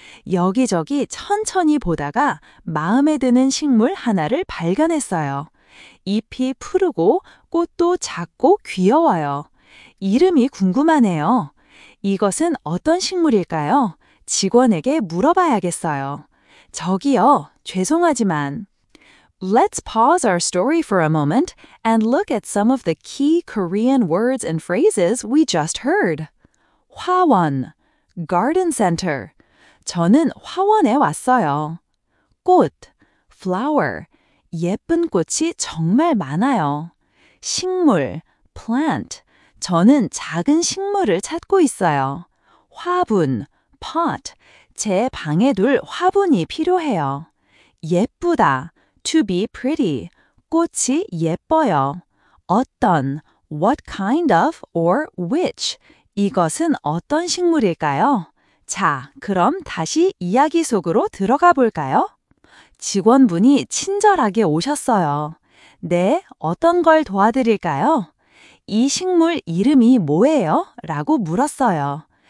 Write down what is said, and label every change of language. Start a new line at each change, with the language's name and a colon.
Korean: 여기저기 천천히 보다가 마음에 드는 식물 하나를 발견했어요. 잎이 푸르고 꽃도 작고 귀여워요. 이름이 궁금하네요. 이것은 어떤 식물일까요? 직원에게 물어봐야겠어요. 저기요, 죄송하지만.
English: Let's pause our story for a moment and look at some of the key Korean words and phrases we just heard. 화원, garden center.
Korean: 저는 화원에 왔어요. 꽃, flower. 예쁜 꽃이 정말 많아요. 식물, plant. 저는 작은 식물을 찾고 있어요.
English: 화분, pot.
Korean: 제 방에 둘 화분이 필요해요. 예쁘다,
English: to be pretty.
Korean: 꽃이 예뻐요. 어떤,
English: what kind of or which.
Korean: 이것은 어떤 식물일까요? 자, 그럼 다시 이야기 속으로 들어가 볼까요? 직원분이 친절하게 오셨어요. 네, 어떤 걸 도와드릴까요? 이 식물 이름이 뭐예요? 라고 물었어요.